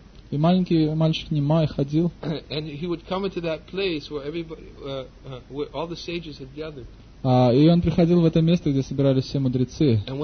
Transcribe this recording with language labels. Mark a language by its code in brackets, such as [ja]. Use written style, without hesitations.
[ru] И маленький мальчик Нимай ходил. [en] And he would come into that place where everybody, where all the sages had gathered. [ru] И он приходил в это место, где собирались все мудрецы.